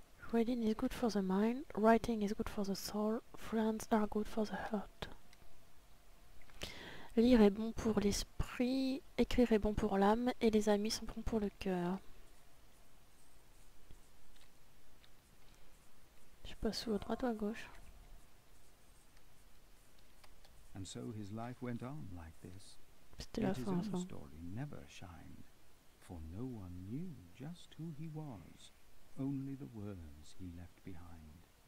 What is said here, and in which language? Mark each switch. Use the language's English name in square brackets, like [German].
[English] Reading is good for the mind, writing is good for the soul, friends are good for the heart. [French] Lire est bon pour l'esprit, écrire est bon pour l'âme, et les amis sont bons pour le cœur. Je passe où, à droite ou à gauche? [English] And so his life went on like this. [French] C'était la fin, [English] his own story never shined, for no one knew just who he was. Only the words he left behind.